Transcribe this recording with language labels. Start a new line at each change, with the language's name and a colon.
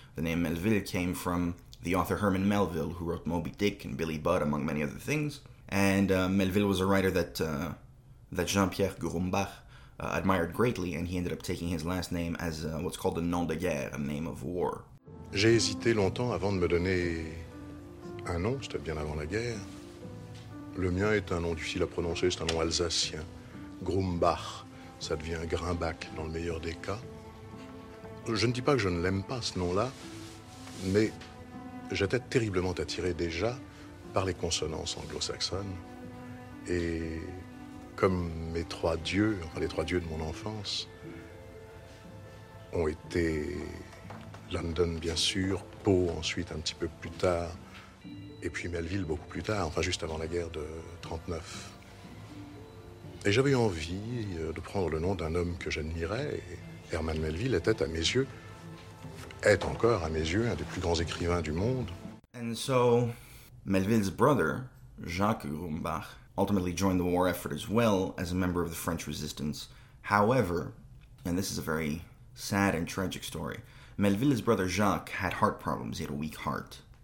English: The name Melville came from the author Herman Melville, who wrote Moby Dick and Billy Budd, among many other things, and Melville was a writer that that Jean-Pierre Gourmbach admired greatly, and he ended up taking his last name as what's called a nom de guerre, a name of war.
French: J'ai hésité longtemps avant de me donner un nom, c'était bien avant la guerre. Le mien est un nom difficile à prononcer, c'est un nom alsacien. Grumbach, ça devient Grimbach dans le meilleur des cas. Je ne dis pas que je ne l'aime pas ce nom-là, mais j'étais terriblement attiré déjà par les consonances anglo-saxonnes. Et comme mes trois dieux, enfin les trois dieux de mon enfance, ont été London, bien sûr, Poe ensuite un petit peu plus tard, et puis Melville beaucoup plus tard, enfin juste avant la guerre de 39. Et j'avais envie de prendre le nom d'un homme que j'admirais, et Herman Melville était à mes yeux, est encore à mes yeux, un des plus grands écrivains du monde.
English: And so, Melville's brother, Jacques Grumbach, ultimately joined the war effort as well as a member of the French Resistance. However, and this is a very sad and tragic story, Melville's brother Jacques had heart problems. He had a weak heart.